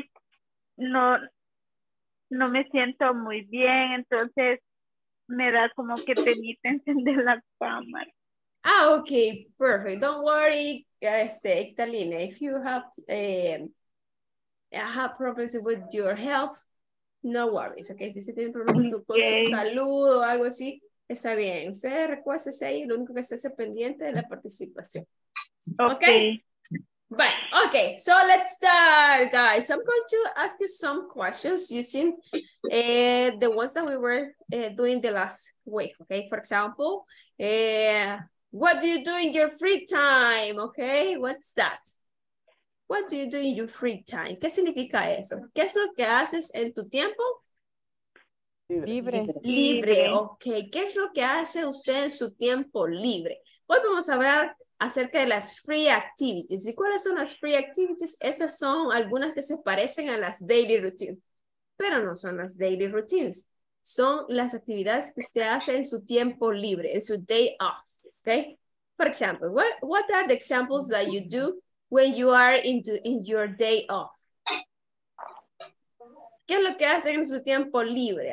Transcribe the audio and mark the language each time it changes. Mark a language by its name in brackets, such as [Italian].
[Spanish] Please, no me siento muy bien, entonces me da como que penita encender la cámara. [English] Ah, okay, perfect. Don't worry, Ectalina. If you have problems with your health, no worries, okay? [Spanish] Si se tiene problemas con su salud o algo así, está bien. Usted recuérdese ahí, lo único que esté pendiente de la participación. Okay. [English] Okay. Bye. Okay, so let's start, guys. I'm going to ask you some questions using the ones that we were doing the last week, okay? For example, what do you do in your free time? Okay, what's that? What do you do in your free time? [Spanish] ¿Qué significa eso? ¿Qué es lo que haces en tu tiempo? Libre. Libre, okay. ¿Qué es lo que hace usted en su tiempo libre? Hoy vamos a hablar acerca de las free activities. ¿Y cuáles son las free activities? Estas son algunas que se parecen a las daily routines, pero no son las daily routines. Son las actividades que usted hace en su tiempo libre, en su day off. Okay. [English] For example, what are the examples that you do when you are in your day off? [Spanish] ¿Qué es lo que hacen en su tiempo libre?